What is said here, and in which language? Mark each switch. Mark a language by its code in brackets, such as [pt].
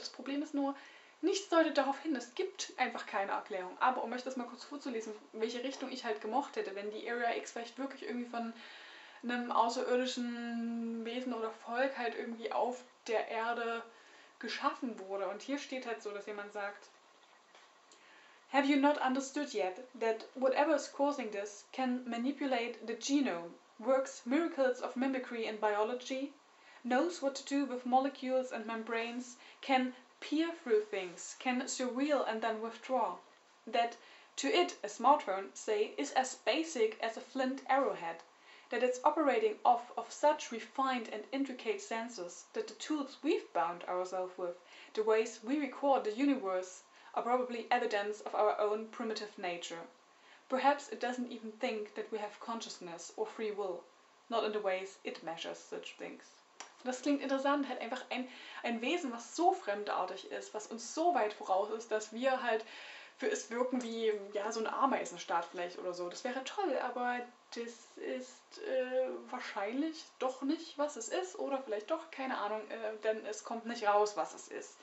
[de] Das Problem ist nur, nichts deutet darauf hin, es gibt einfach keine Erklärung. Aber um euch das mal kurz vorzulesen, welche Richtung ich halt gemocht hätte, wenn die Area X vielleicht wirklich irgendwie von einem außerirdischen Wesen oder Volk halt irgendwie auf der Erde geschaffen wurde. Und hier steht halt so, dass jemand sagt, [en] Have you not understood yet that whatever is causing this can manipulate the genome, works miracles of mimicry in biology, knows what to do with molecules and membranes, can peer through things, can surreal and then withdraw, that to it a smartphone, say, is as basic as a flint arrowhead, that it's operating off of such refined and intricate sensors that the tools we've bound ourselves with, the ways we record the universe, are probably evidence of our own primitive nature. Perhaps it doesn't even think that we have consciousness or free will, not in the ways it measures such things. [de] Das klingt interessant, halt einfach ein Wesen, was so fremdartig ist, was uns so weit voraus ist, dass wir halt für es wirken wie ja, so ein Ameisenstaat vielleicht oder so. Das wäre toll, aber das ist wahrscheinlich doch nicht, was es ist oder vielleicht doch, keine Ahnung, denn es kommt nicht raus, was es ist.